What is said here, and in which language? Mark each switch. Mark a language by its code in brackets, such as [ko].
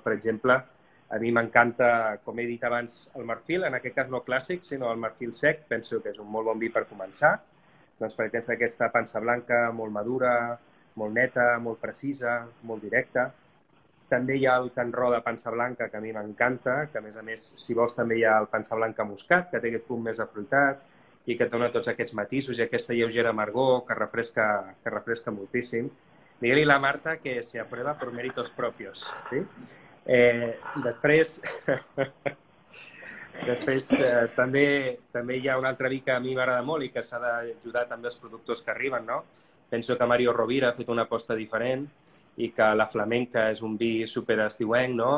[ca] Per exemple, a mi m'encanta, com he dit abans, el marfil, en aquest cas no clàssic, sinó el marfil sec, penso que és un molt bon vi per començar, doncs perquè tens aquesta pansa blanca molt madura, molt neta, molt precisa, molt directa. També hi ha el Can Ro de pansa blanca, que a mi m'encanta, que a més, si vols, també hi ha el pansa blanca moscat, que té aquest punt més afruitat i que dona tots aquests matisos i aquesta lleugera amargor que refresca moltíssim. Digue-li la Marta [es] que se aprueba por méritos propios. ¿Sí? [ca] Després, també hi ha un altre vi que a mi m'agrada molt i que s'ha d'ajudar també els productors que arriben, no? Penso que Mario Rovira ha fet una aposta diferent i que la flamenca és un vi superestiuenc, no?